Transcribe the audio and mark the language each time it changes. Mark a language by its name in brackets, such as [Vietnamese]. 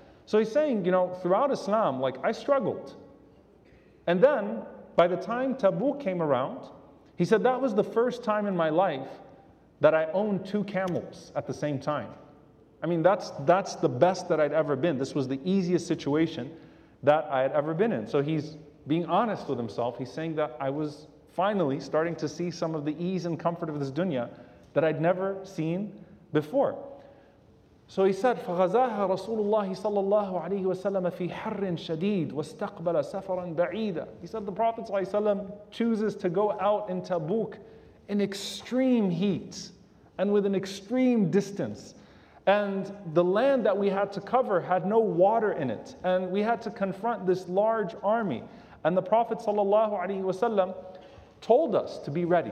[English] So he's saying, you know, throughout Islam, like, I struggled. And then, by the time Tabuk came around, he said, that was the first time in my life that I owned two camels at the same time. I mean, that's the best that I'd ever been. This was the easiest situation that I had ever been in. So he's being honest with himself. He's saying that I was finally starting to see some of the ease and comfort of this dunya that I'd never seen before. So he said, [Arabic] فَغَزَاهَا رَسُولُ اللَّهِ صَلَّى اللَّهُ عَلَيْهِ وَسَلَّمَ فِي حَرٍ شَدِيدٍ وَاسْتَقْبَلَ سَفَرًا بَعِيدًا. [English] He said the Prophet ﷺ chooses to go out in Tabuk in extreme heat and with an extreme distance. And the land that we had to cover had no water in it. And we had to confront this large army. And the Prophet ﷺ told us to be ready.